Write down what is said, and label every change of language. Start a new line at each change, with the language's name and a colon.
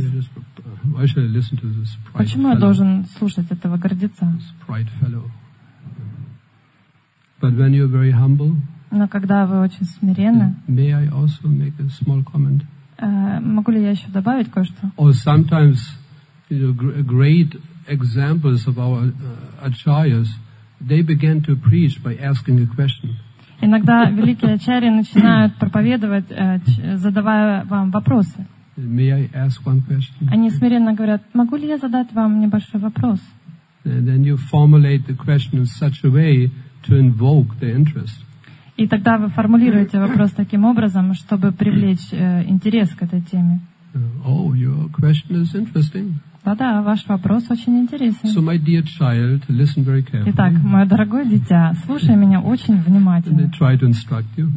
English: Why should I listen to this pride fellow?
Russian: Почему я должен слушать этого гордеца?
English: This pride fellow. But when you're very humble,
Russian: но когда вы очень смиренны,
English: may I also make a small comment?
Russian: Могу ли я еще добавить кое-что?
English: Or sometimes, you know, great examples of our acharyas, they began to preach by asking a question.
Russian: Иногда великие ачарьи начинают проповедовать, задавая вам вопросы.
English: May I ask one question?
Russian: Они смиренно говорят: могу ли я задать вам небольшой вопрос?
English: And then you formulate the question in such a way to invoke their interest.
Russian: И тогда вы формулируете вопрос таким образом, чтобы привлечь интерес к этой теме.
English: Oh, your question is interesting.
Russian: Да-да, ваш вопрос очень интересен.
English: So my dear child, listen very carefully.
Russian: Итак, мое дорогое дитя, слушай меня очень внимательно.
English: And they try to instruct you.